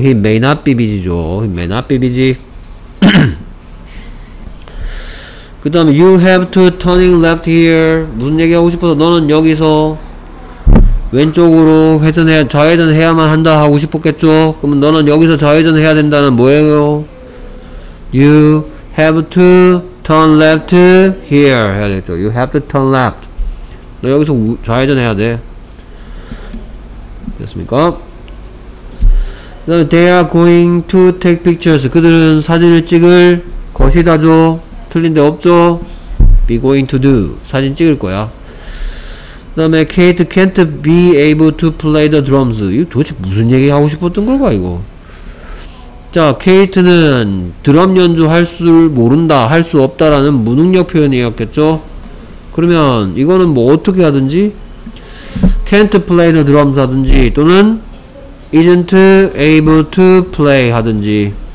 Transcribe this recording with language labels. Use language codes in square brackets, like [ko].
[en] He may not be busy죠. He may not be busy. [ko] 그 다음에 [en] You have to turning left here. [ko] 무슨 얘기하고 싶어서 너는 여기서 왼쪽으로 좌회전해야만 한다 하고 싶었겠죠. 그러면 너는 여기서 좌회전해야 된다는 뭐예요? [en] You have to turn left here 해야 되겠죠. You have to turn left. [ko] 너 여기서 좌회전해야 돼. 됐습니까? [en] They are going to take pictures. [ko] 그들은 사진을 찍을 것이다죠. 틀린데 없죠. [en] Be going to do. [ko] 사진 찍을 거야. 그 다음에 [en] Kate can't be able to play the drums. [ko] 이거 도대체 무슨 얘기 하고 싶었던 걸까 이거. 자, Kate는 드럼 연주 할 줄 모른다. 할 수 없다라는 무능력 표현이었겠죠. 그러면 이거는 뭐 어떻게 하든지 [en] can't play the drums [ko] 하든지 또는 [en] isn't able to play [ko] 하든지